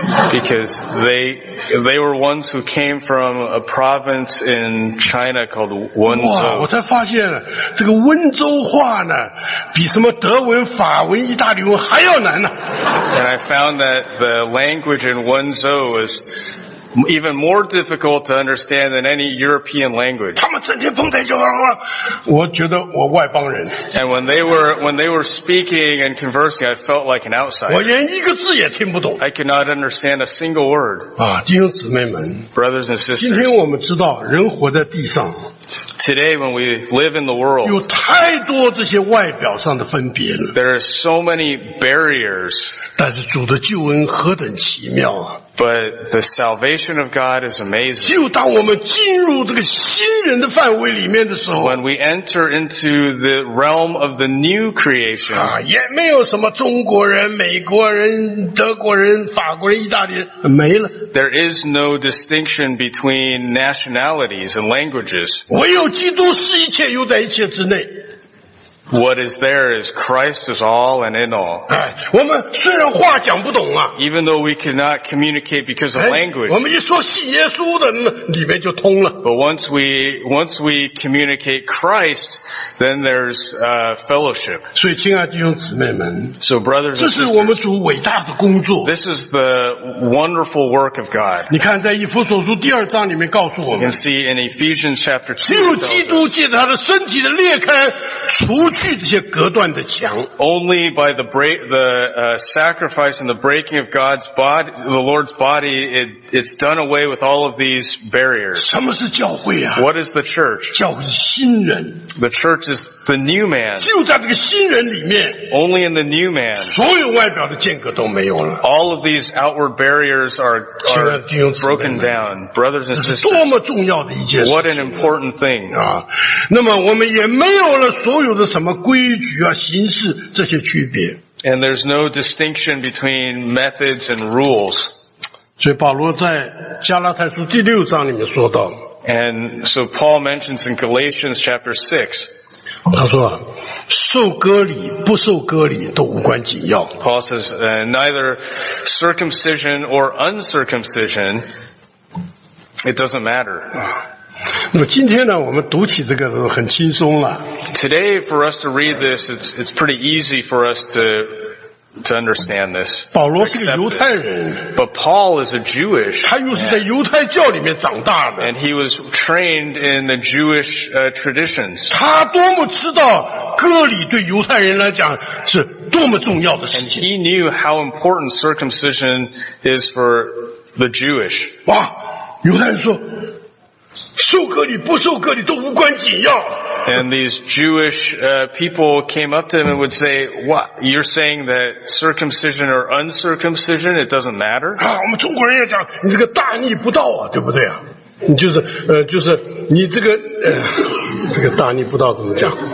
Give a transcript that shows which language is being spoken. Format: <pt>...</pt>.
<en>Because they were ones who came from a province in China called Wenzhou.</en> <zh>哇，我才发现这个温州话呢，比什么德文、法文、意大利文还要难呢。</zh> <en>And I found that the language in Wenzhou is even more difficult to understand than any European language.</en> <zh>他们整天碰在就好了，我觉得我外邦人。</zh> <en>And when they were speaking and conversing, I felt like an outsider.</en> <zh>我连一个字也听不懂。</zh> <en>I could not understand a single word.</en> <zh>啊，弟兄姊妹们。</zh> <en>Brothers and sisters.</en> <zh>今天我们知道，人活在地上。</zh> <en>Today, when we live in the world,</en> <zh>有太多这些外表上的分别了。</zh> <en>There are so many barriers.</en> <zh>但是主的救恩何等奇妙啊！</zh> <en>But the salvation of God is amazing.</en> <zh>只有当我们进入这个新人的范围里面的时候</zh> <en>，When we enter into the realm of the new creation,</en> <zh>啊，也没有什么中国人、美国人、德国人、法国人、意大利人，没了。</zh> <en>There is no distinction between nationalities and languages.</en> <zh>唯有基督是一切，又在一切之内。</zh> <en>What is there is Christ is all and in all.</en> <zh>哎，我们虽然话讲不懂啊。</zh> <en>Even though we cannot communicate because of language.</en> <zh>我们一说信耶稣的，里面就通了。</zh> <en>But once we communicate Christ, then there's fellowship.</en> <zh>所以，亲爱的弟兄姊妹们</zh> <en>，So brothers and sisters,</en> <zh>这是我们主伟大的工作。</zh> <en>This is the wonderful work of God.</en> <zh>你看，在以弗所书第二章里面告诉我们。</zh> <en>You can see in Ephesians chapter 2.</en> <zh>进入基督借着他的身体的裂开，除去这些隔断的墙</zh> <en>Only by the sacrifice and the breaking of God's body, the Lord's body, it's done away with all of these barriers.</en> <zh>什么是教会啊</zh> <en>What is the church?</en> <zh>教会是新人</zh> <en>The church is the new man.</en> <zh>就在这个新人里面</zh> <en>Only in the new man.</en> <zh>所有外表的间隔都没有了</zh> <en>All of these outward barriers are broken down. Brothers and sisters,</en> <zh>这是多么重要的一件事</zh> <en>What an important thing.</en> <zh>啊，那么我们也没有了所有的什么规矩啊、形式这些区别。</zh> <en>And there's no distinction between methods and rules.</en> <zh>所以保罗在加拉太书第六章里面说到。</zh> <en>And so Paul mentions in Galatians chapter 6.</en> <zh>他说啊，受割礼不受割礼都无关紧要。</zh> <en>Paul says, neither circumcision or uncircumcision, it doesn't matter.</en> <zh>那么今天呢，我们读起这个很轻松了。</zh> <en>Today for us to read this, it's pretty easy for us to understand this.</en> <zh>保罗是个犹太人。</zh> <en>But Paul is a Jewish.</en> <zh>他又是在犹太教里面长大的。</zh> <en>And he was trained in the Jewish traditions.</en> <zh>他多么知道割礼对犹太人来讲是多么重要的事情。</zh> <en>And he knew how important circumcision is for the Jewish.</en> <zh>哇，犹太人说。受割礼不受割礼都无关紧要。</zh> <en>And these Jewish people came up to him and would say, "What? You're saying that circumcision or uncircumcision, it doesn't matter?"</en> <zh>啊，我们中国人也讲，你这个大逆不道啊，对不对啊？你就是就是你这个这个大逆不道怎么讲？</zh>